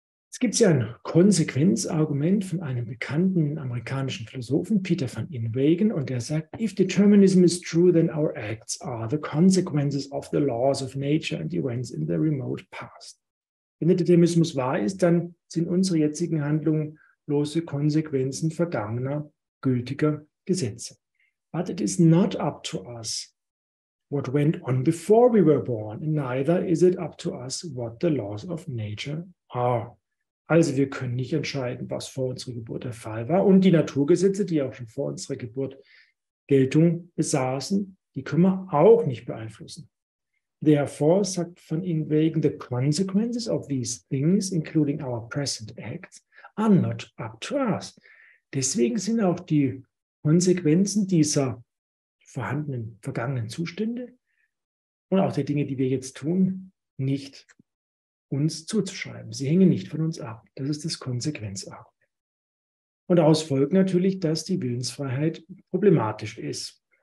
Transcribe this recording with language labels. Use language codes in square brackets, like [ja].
[de] Es gibt ja ein Konsequenzargument von einem bekannten amerikanischen Philosophen, Peter van Inwagen, und der sagt, [en] if determinism is true, then our acts are the consequences of the laws of nature and events in the remote past. [de] Wenn der Determinismus wahr ist, dann sind unsere jetzigen Handlungen bloße Konsequenzen vergangener, gültiger Gesetze. [en] But it is not up to us what went on before we were born, and neither is it up to us what the laws of nature are. [de] Also wir können nicht entscheiden, was vor unserer Geburt der Fall war, und die Naturgesetze, die auch schon vor unserer Geburt Geltung besaßen, die können wir auch nicht beeinflussen. [en] Therefore, [de] sagt von Ihnen wegen, [en] the consequences of these things, including our present acts, are not up to us. [de] Deswegen sind auch die Konsequenzen dieser vorhandenen vergangenen Zustände und auch der Dinge, die wir jetzt tun, nicht uns zuzuschreiben. Sie hängen nicht von uns ab. Das ist das Konsequenzargument. Und daraus folgt natürlich, dass die Willensfreiheit problematisch ist.